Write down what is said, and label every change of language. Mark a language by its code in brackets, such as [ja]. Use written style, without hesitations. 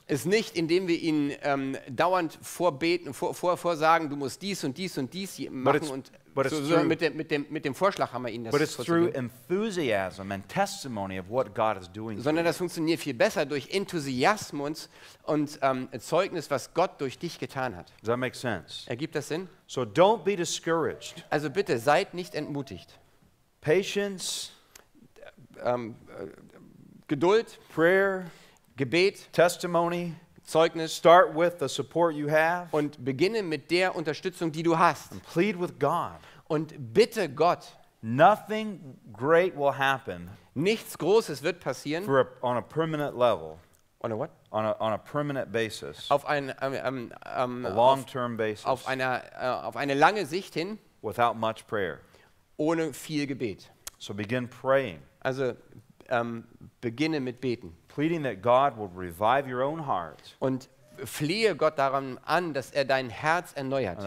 [de] Es nicht, indem wir ihnen dauernd vorbeten, vorsagen, du musst dies und dies und dies machen und so mit dem Vorschlag haben wir ihnen das. [en] But it's through enthusiasm and testimony of what God is doing. [de] Sondern das funktioniert viel besser durch Enthusiasmus und Zeugnis, was Gott durch dich getan hat. [en] Does that make sense? [de] Ergibt das Sinn? [en] So don't be discouraged. [de] Also bitte seid nicht entmutigt. [en] Patience. [de] Geduld, [en] prayer, [de] Gebet, [en] testimony, [de] Zeugnis, [en] start with the support you have [de] und beginne mit der Unterstützung, die du hast. [en] And plead with God. [de] Und bitte Gott. [en] Nothing great will happen. [de] Nichts Großes wird passieren. [en] On a permanent level. On a what? On a permanent basis. [de] Auf ein [en] a long-term basis. [de] Auf eine lange Sicht hin. [en] Without much prayer. [de] Ohne viel Gebet. [en] So begin praying. [de] Also beginne mit beten. [en] Pleading that God will revive your own heart. [de] Und flehe Gott daran an, dass er dein Herz erneuert.